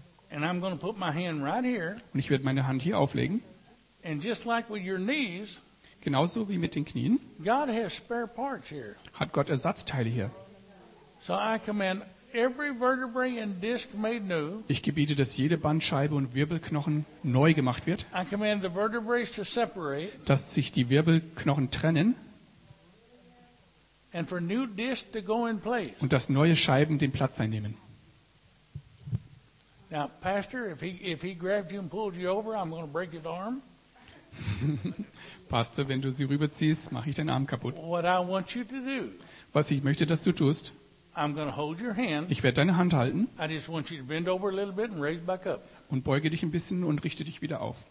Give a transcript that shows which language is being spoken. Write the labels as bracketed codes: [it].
[en] And I'm going to put my hand right here. [de] Und ich werde meine Hand hier auflegen. [en] And just like with your knees. [de] Genauso wie mit den Knien. [en] God has spare parts here. [de] Hat Gott Ersatzteile hier. [en] So I command every vertebrae and disc made new. [de] Ich gebiete, dass jede Bandscheibe und Wirbelknochen neu gemacht wird. [en] I command the vertebrae to separate. [de] Dass sich die Wirbelknochen trennen. [en] And for new disc to go in place. [de] Und dass neue Scheiben den Platz einnehmen. [en] Now, Pastor, if he grabbed you and pulled you over, I'm going to break his arm. [de] Pastor, wenn du sie rüberziehst, mache ich deinen Arm kaputt. [en] What I want you to do. [de] Was ich möchte, dass du tust. [en] I'm going to hold your hand. [de] Ich werde deine Hand halten. [en] I just want you to bend over a little bit and raise back up. [de] Und beuge dich ein bisschen und richte dich wieder auf.